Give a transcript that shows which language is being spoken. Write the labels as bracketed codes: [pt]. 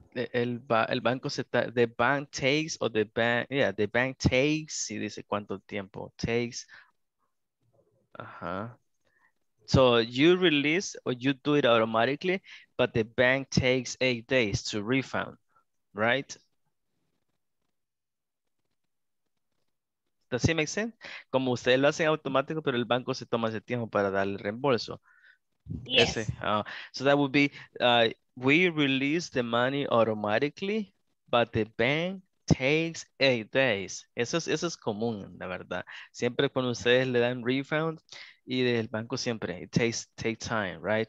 [es] El banco se tarda, [en] the bank takes, or the bank, yeah, the bank takes, [es] y dice cuánto tiempo [en] takes. So you release or you do it automatically, but the bank takes 8 days to refund, right? Does it make sense? [es] Como ustedes lo hacen automático, pero el banco se toma ese tiempo para dar el reembolso. [en] Yes. So that would be, we release the money automatically, but the bank takes 8 days. [es] Eso es común, la verdad. Siempre cuando ustedes le dan refund, y del banco siempre, [en] it takes time, right?